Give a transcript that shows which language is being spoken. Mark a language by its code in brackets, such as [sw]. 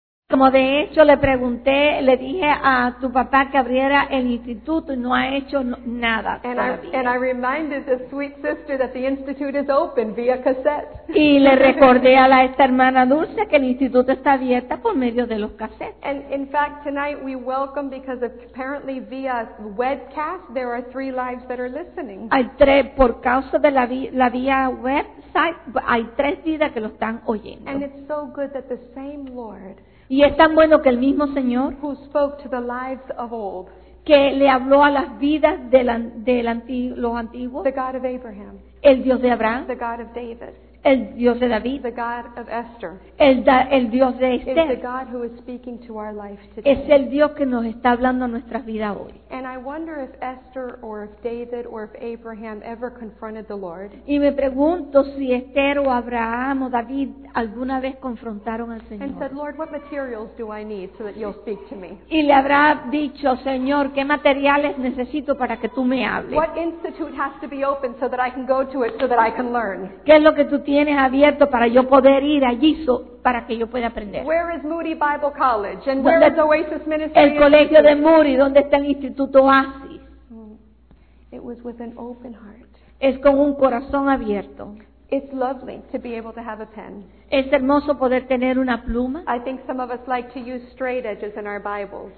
[es] Como de hecho le pregunté, le dije a tu papá que abriera el instituto y no ha hecho nada. [en] And I reminded the sweet sister that the institute is open via cassette. [es] Y le recordé a la esta hermana dulce que el instituto está abierto por medio de los cassettes. [en] And in fact, tonight we welcome because apparently via webcast there are 3 lives that are listening. [es] Hay tres por causa de la vía website, hay 3 vidas que lo están oyendo. [en] And it's so good that the same Lord. [es] Y es tan bueno que el mismo Señor [en] who spoke to the lives of old, [es] que le habló a las vidas de, la, de la, los antiguos, [en] the God of Abraham, [es] el Dios de Abraham, [en] the God of David, [es] el Dios de David, [en] the God of Esther, [es] el Dios de Esther, [en] is the God who is speaking to our life today. [es] Es el Dios que nos está hablando a nuestras vidas hoy. [en] And I wonder if Esther or if David or if Abraham ever confronted the Lord. [es] Y me pregunto si Esther o Abraham o David alguna vez confrontaron al Señor. [en] And said, Lord, what materials do I need so that you'll speak to me? [es] Y le habrá dicho, Señor, ¿qué materiales necesito para que tú me hables? [en] What institute has to be open so that I can go to it so that I can learn? [es] ¿Qué es lo que tú tienes abierto para yo poder ir allí para que yo pueda aprender? [en] Where is Moody Bible College and where is Oasis Ministry? [es] El colegio de Moody, ¿dónde está el Instituto Oasis? [en] It was with an open heart. [es] Es con un corazón abierto. [en] It's lovely to be able to have a pen. [es] Es hermoso poder tener una pluma. [en] I think some of us like to use straight edges in our Bibles.